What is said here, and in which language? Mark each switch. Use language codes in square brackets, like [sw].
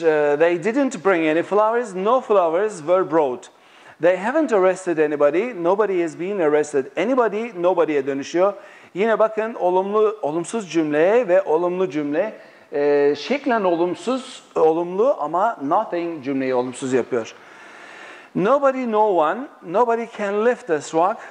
[en] They didn't bring any flowers, no flowers were brought. They haven't arrested anybody, nobody has been arrested. [tr] Anybody, nobody'ye dönüşüyor. Yine bakın, olumlu, olumsuz cümle ve olumlu cümle. Şeklen olumsuz, olumlu ama nothing cümleyi olumsuz yapıyor. [en] Nobody, no one, nobody can lift this rock.